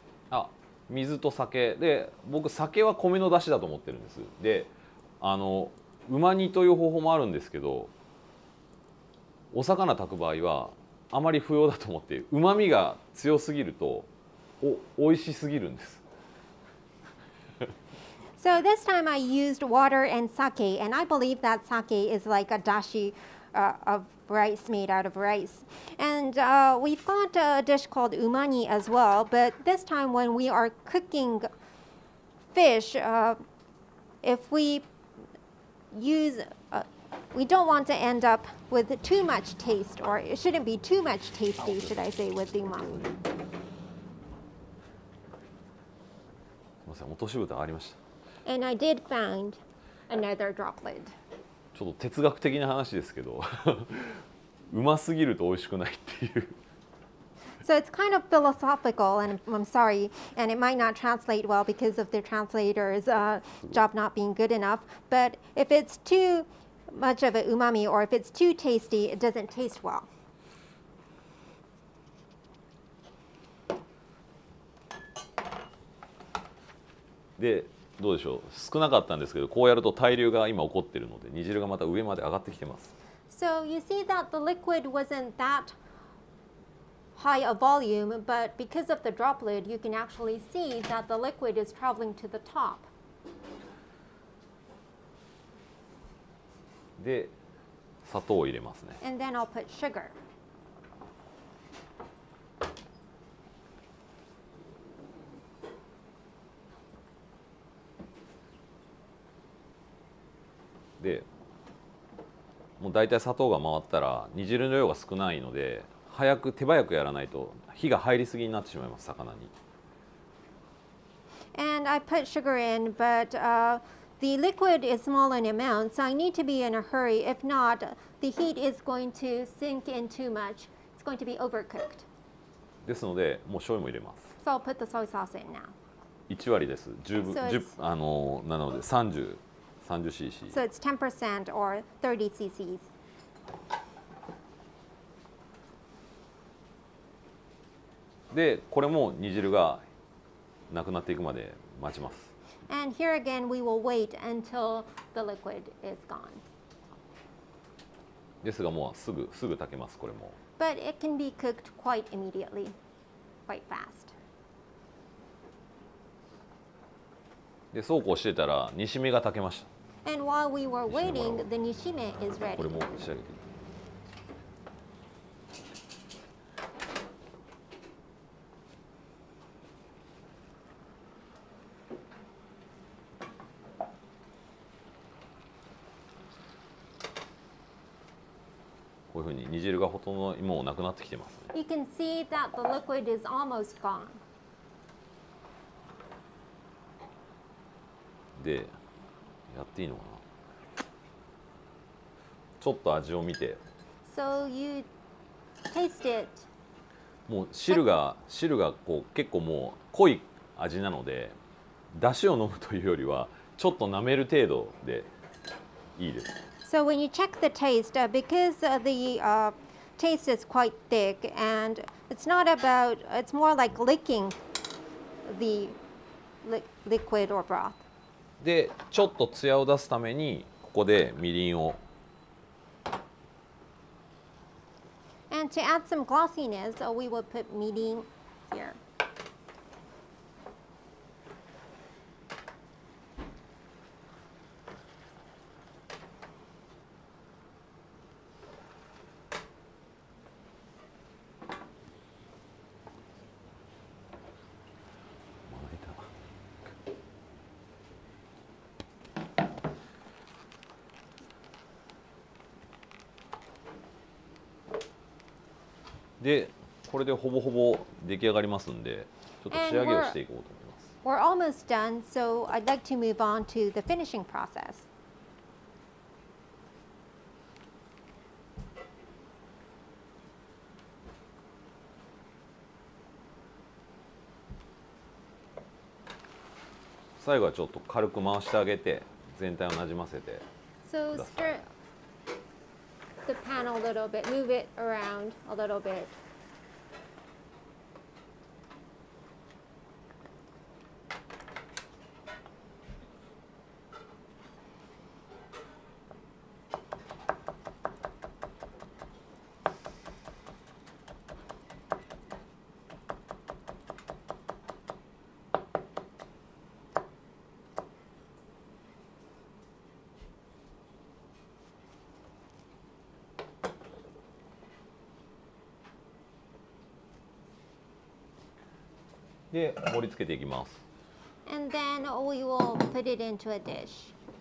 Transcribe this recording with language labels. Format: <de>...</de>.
<ja>あ、水と酒で、僕酒は米の出汁だと思ってるんです。で、うま煮という方法もあるんですけど、お魚炊く場合は。あまり不要だと思って、旨味が強すぎると、お、美味しすぎるんです。</ja> <en>So this time I used water and sake, and I believe that sake is like a dashi, of rice made out of rice. And, we've got a dish called umani as well, but this time when we are cooking fish, if we use, we don't want to end up with too much taste, or it shouldn't be too much tasty, should I say, with the umami.</en> <ja>すみません、落とし蓋ありました。</ja> <en>And I did find another drop lid.</en> <ja>ちょっと哲学的な話ですけど、うますぎると美味しくないっていう。</ja> <en>So it's kind of philosophical, and I'm sorry, and it might not translate well because of the translator's job not being good enough, but if it's too... much of a umami, or if it's too tasty, it doesn't taste well.</en> <ja>で、どうでしょう。少なかったんですけど、こうやると対流が今起こっているので、煮汁がまた上まで上がってきてます。</ja> <en>So you see that the liquid wasn't that high a volume, but because of the droplet, you can actually see that the liquid is traveling to the top.</en> <ja>で、砂糖を入れますね。</ja> <en>And then I'll put sugar.</en> <ja>で、もうだいたい砂糖が回ったら煮汁の量が少ないので、早く手早くやらないと火が入りすぎになってしまいます、魚に。</ja> <en>And I put sugar in, but, the liquid is small in amount, so I need to be in a hurry. If not, the heat is going to sink in too much. It's going to be overcooked.</en> <ja>ですので、もう醤油も入れます。</ja> <en>So I'll put the soy sauce in now.</en> <ja>1割です。十分、十、あの、なので30cc.</ja> <en>So it's 10% or 30cc's.</en> <ja>で、これも煮汁がなくなっていくまで待ちます。</ja> <en>And here again, we will wait until the liquid is gone.</en> <ja>ですが、もうすぐ炊けます、これも。</ja> <en>But it can be cooked quite immediately, quite fast.</en> <ja>で、そうこうしてたら、煮しめが炊けました。</ja> <en>And while we were waiting, the 煮しめ is ready.</en> <ja>これも仕上げて。煮汁がほとんどもうなくなってきてます、ね。</ja> <en>You can see that the liquid is almost gone.</en> <ja>で、やっていいのかな。ちょっと味を見て。</ja> <en>So you taste it.</en> <ja>もう汁がこう結構もう濃い味なので、出汁を飲むというよりはちょっと舐める程度でいいです。</ja> <en>So when you check the taste, because the taste is quite thick and it's not about, it's more like licking the liquid or broth.</en> <ja>で、ちょっとツヤを出すためにここでみりんを。</ja> <en>And to add some glossiness, we will put みりん here.</en> <ja>で、これでほぼほぼ出来上がりますんで、ちょっと仕上げをしていこうと思います。</ja> <en>We're almost done, so I'd like to move on to the finishing process.</en> <ja>最後はちょっと軽く回してあげて、全体をなじませてください。</ja> <en>So stir the pan a little bit, move it around a little bit.</en> <ja>で、盛り付けていきます。</ja> <en>And then we will put it into a dish.</en>